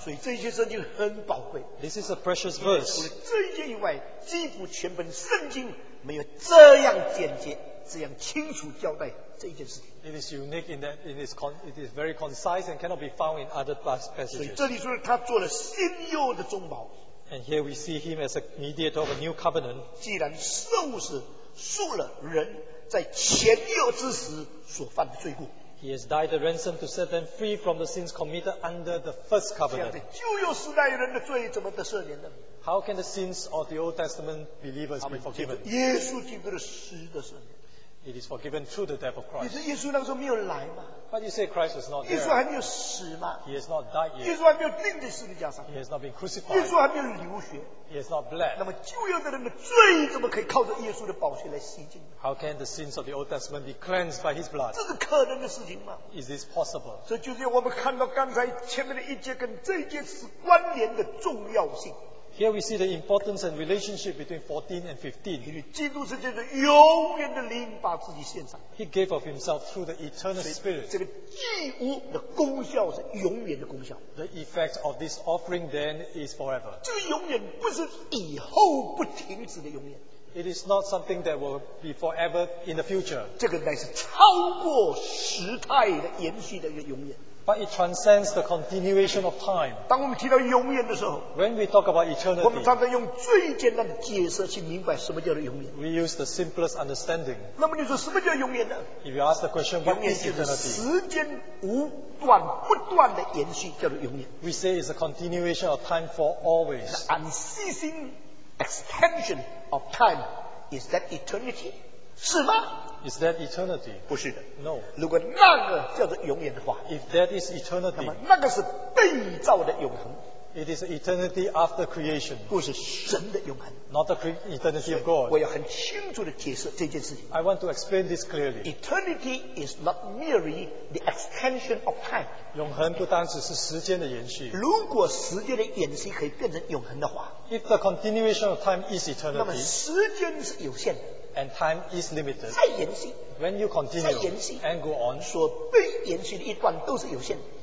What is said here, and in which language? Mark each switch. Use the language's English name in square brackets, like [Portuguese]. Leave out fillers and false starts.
[Chinese] 所以这些圣经很宝贵。 [English] This is a precious verse. [Chinese] 除了这些以外，几乎全本圣经没有这样简洁、这样清楚交代这件事情。 [English] It is unique in that it is very concise and cannot be found in other passages. [Chinese] 所以这里说他做了新又的中保。 [English] And here we see him as a mediator of a new covenant. [Chinese] 既然受死赎了人在前幼之时所犯的罪过。 [English] He has died a ransom to set them free from the sins committed under the first covenant. [Chinese] 旧约时代人的罪怎么得赦免呢？ [English] How can the sins of the Old Testament believers be forgiven? [Chinese] 耶稣基督的死的赦免。 [English] It is forgiven through the death of Christ. [Chinese] 你说耶稣那个时候没有来吗？ [English] But you say Christ was not there. [Chinese] 耶稣还没有死吗？ [English] He has not died yet. [Chinese] 耶稣还没有钉在十字架上。 [English] He has not been crucified. [Chinese] 耶稣还没有流血。 [English] He has not bled. [Chinese] 那么旧约的人的罪怎么可以靠着耶稣的宝血来洗净？ [English] How can the sins of the Old Testament be cleansed by His blood? [Chinese] 这是可能的事情吗？ [English] Is this possible? [Chinese] 这就是我们看到刚才前面的一节跟这一节是关联的重要性。 [English] Here we see the importance and relationship between 14 and 15. [Chinese] 因为基督是借着永远的灵把自己献上。 [English] He gave of himself through the eternal spirit. [Chinese] 这个祭物的功效是永远的功效。 [English] The effect of this offering then is forever. [Chinese] 这个永远不是以后不停止的永远。 [English] It is not something that will be forever in the future. [Chinese] 这个乃是超过时态的延续的一个永远。 [English] But it transcends the continuation of time. [Chinese] 当我们提到永远的时候， [English] When we talk about eternity, [Chinese] 我们常常用最简单的解释去明白什么叫做永远。 [English] We use the simplest understanding. [Chinese] 那么你说什么叫永远呢？ [English] If you ask the question, what is eternity? [Chinese] 永远就是时间无断不断的延续叫做永远。 [English] We say it's a continuation of time for always. The unceasing extension of time, is that eternity? [Chinese] 是吗？ [English] Is that eternity? [Chinese] 不是的。 [English] No. [Chinese] 如果那个叫做永远的话， [English] If that is eternity, [Chinese] 那么那个是被造的永恒。 [English] It is eternity after creation. [Chinese] 不是神的永恒。 [English] Not the eternity of God. [Chinese] 我要很清楚地解释这件事情。 [English] I want to explain this clearly. Eternity is not merely the extension of time. [Chinese] 永恒不单只是时间的延续。如果时间的延续可以变成永恒的话， [English] If the continuation of time is eternity, [Chinese] 那么时间是有限的。 [English] And time is limited. [Chinese] 再延续， [English] when you continue [Chinese] 再延续， [English] and go on, [Chinese] 所被延续的一段都是有限的。